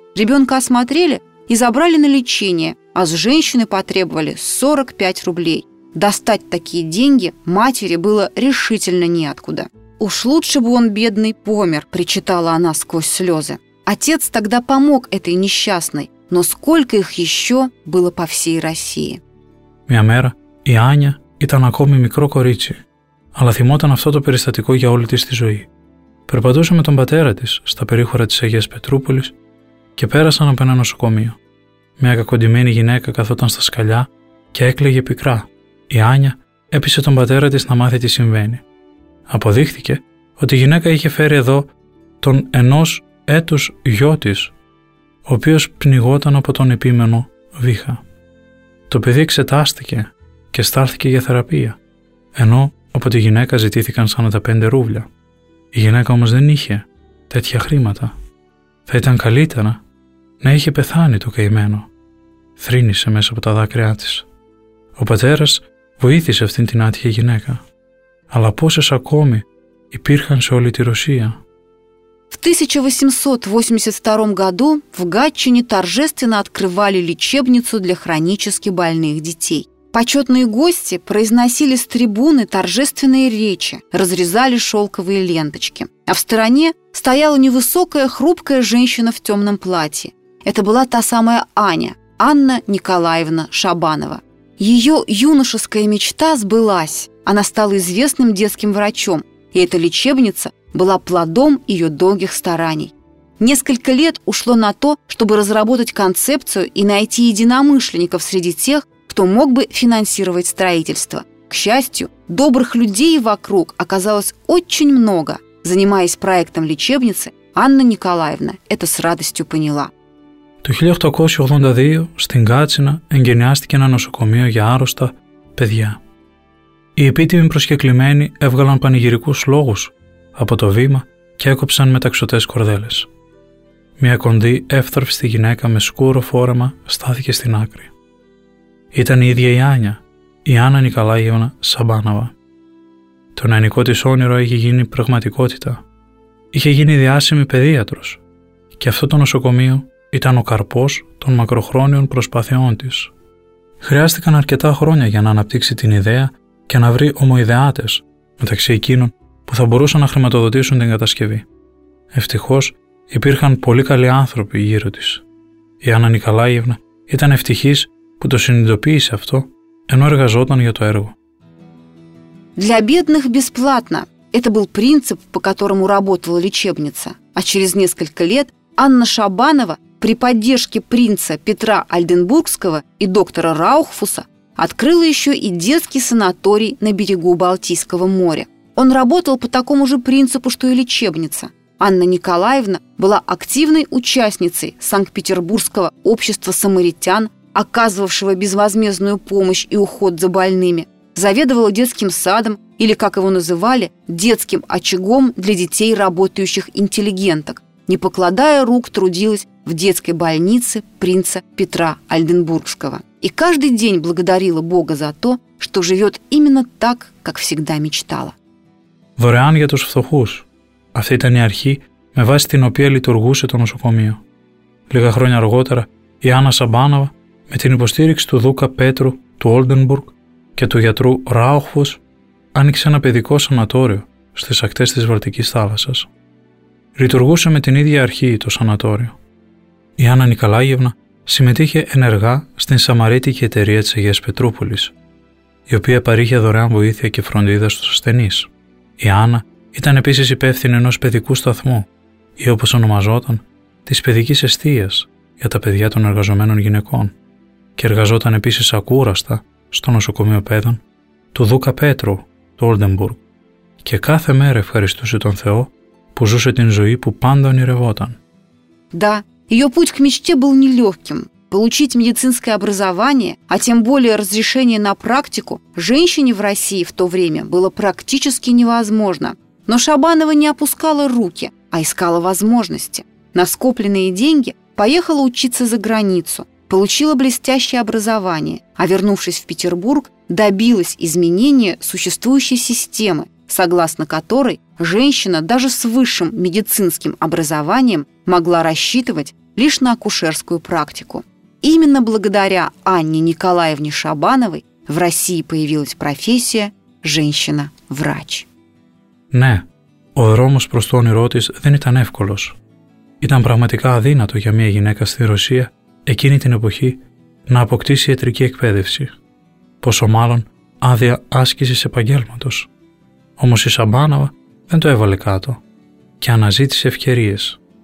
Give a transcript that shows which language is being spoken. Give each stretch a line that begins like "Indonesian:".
Russian: Ребенка осмотрели и забрали на лечение, а с женщины потребовали 45 рублей. Достать такие деньги матери было решительно неоткуда. «Уж лучше бы он, бедный, помер», – причитала она сквозь слезы. Отец тогда помог этой несчастной, но сколько их еще было по всей России.
Greek: Мя мера и Аня ήταν ακόμη μικρό κορίτσι, αλλά θυμόταν αυτό το περιστατικό για όλη της τη ζωή. Περπατούσε με τον πατέρα της στα περίχωρα της Αγίας Πετρούπολης και πέρασαν από ένα νοσοκομείο. Μια κακοντυμένη γυναίκα καθόταν στα σκαλιά και έκλαιγε πικρά. Η Άνια έπεισε τον πατέρα της να μάθει τι συμβαίνει. Αποδείχθηκε ότι η γυναίκα είχε φέρει εδώ τον ενός έτους γιο της, ο οποίος πνιγόταν από τον επίμενο βήχα. Το παιδί εξετάστηκε και στάλθηκε για θεραπεία, ενώ από τη γυναίκα ζητήθηκαν 45 ρούβλια. Η γυναίκα όμως δεν είχε τέτοια χρήματα. Θα ήταν καλύτερα να είχε πεθάνει το καημένο, θρύνησε μέσα από τα δάκρυά της. Ο πατέρας βοήθησε αυτήν την άτυχη γυναίκα. Αλλά πόσες ακόμη υπήρχαν σε όλη τη Ρωσία?
Russian: В 1882 году в Гатчине торжественно открывали лечебницу для хронически больных детей. Почетные гости произносили с трибуны торжественные речи, разрезали шелковые ленточки. А в стороне стояла невысокая, хрупкая женщина в темном платье. Это была та самая Аня, Анна Николаевна Шабанова. Ее юношеская мечта сбылась. Она стала известным детским врачом, и эта лечебница была плодом ее долгих стараний. Несколько лет ушло на то, чтобы разработать концепцию и найти единомышленников среди тех, кто мог бы финансировать строительство. К счастью, добрых людей вокруг оказалось очень много. Занимаясь проектом лечебницы, Анна Николаевна это с радостью поняла.
Greek: Το 1882 στην Κάτσινα εγκαινιάστηκε ένα νοσοκομείο για άρρωστα παιδιά. Οι επίτιμοι προσκεκλημένοι έβγαλαν πανηγυρικούς λόγους από το βήμα και έκοψαν μεταξωτές κορδέλες. Μια κοντή εύθραυστη γυναίκα με σκούρο φόρεμα στάθηκε στην άκρη. Ήταν η ίδια η Άνια, η Άννα Νικολάγεωνα Σαμπάναβα. Το νεανικό της όνειρο είχε γίνει πραγματικότητα. Είχε γίνει διάσημη παιδίατρος και αυτό το νοσοκομείο ήταν ο καρπός των μακροχρόνιων προσπαθειών της. Χρειάστηκαν αρκετά χρόνια για να αναπτύξει την ιδέα και να βρει ομοειδεάτες μεταξύ εκείνων που θα μπορούσαν να χρηματοδοτήσουν την κατασκευή. Ευτυχώς υπήρχαν πολύ καλοί άνθρωποι γύρω της. Η Άννα Νικολάγεωνα ήταν ευτυχής που το συνειδητοποίησε αυτό ενώ εργαζόταν για το έργο.
Russian: Для бедных бесплатно. Это был принцип, по которому работала лечебница. А через несколько лет Анна Шабанова при поддержке принца Петра Альденбургского и доктора Раухфуса открыла еще и детский санаторий на берегу Балтийского моря. Он работал по такому же принципу, что и лечебница. Анна Николаевна была активной участницей Санкт-Петербургского общества самаритян, оказывавшего безвозмездную помощь и уход за больными, заведовала детским садом, или, как его называли, детским очагом для детей, работающих интеллигенток. Не покладая рук, трудилась в детской больнице принца Петра Альденбургского. И каждый день благодарила Бога за то, что живет именно так, как всегда мечтала.
Greek: Δωρεάν για τους φτωχούς. Αυτή ήταν η αρχή με βάση την οποία λειτουργούσε το νοσοκομείο. Λίγα χρόνια αργότερα, η Άννα Σαμπάναβα, με την υποστήριξη του Δούκα Πέτρου του Όλντενμπουργκ και του γιατρού Ράουχφους, άνοιξε ένα παιδικό σανατόριο στις ακτές της Βαλτικής θάλασσας. Λειτουργούσε με την ίδια αρχή το σανατόριο. Η Άννα Νικολάγεωνα συμμετείχε ενεργά στην Σαμαρίτικη Εταιρεία της Αγίας Πετρούπολης, η οποία παρήχε δωρεάν βοήθεια και φροντίδα στους ασθενείς. Η Άννα ήταν επίσης υπεύθυνη ενός παιδικού σταθμού ή όπως ονομαζόταν της παιδικής εστίας για τα παιδιά των εργαζομένων γυναικών και εργαζόταν επίσης ακούραστα στο νοσοκομείο παιδών του Δούκα Πέτρου του Όλντενμπουργκ και κάθε μέρα ευχαριστούσε τον Θεό που ζούσε την ζωή που πάντα ονειρευόταν.
Russian: Да, ее путь к мечте был нелегким. Получить медицинское образование, а тем более разрешение на практику, женщине в России в то время было практически невозможно. Но Шабанова не опускала руки, а искала возможности. На скопленные деньги поехала учиться за границу, получила блестящее образование, а вернувшись в Петербург, добилась изменения существующей системы, согласно которой женщина даже с высшим медицинским образованием могла рассчитывать лишь на акушерскую практику. Именно благодаря Анне Николаевне Шабановой в России появилась профессия «женщина-врач».
Greek: Ναι, ο δρόμος προς το όνειρό της δεν ήταν εύκολος. Ήταν πραγματικά αδύνατο για μια γυναίκα στη Ρωσία εκείνη την εποχή να αποκτήσει ιατρική εκπαίδευση, πόσο μάλλον άδεια άσκησης επαγγέλματος. Όμως η Σαμπάναβα δεν το έβαλε κάτω και αναζήτησε ευκαιρίες.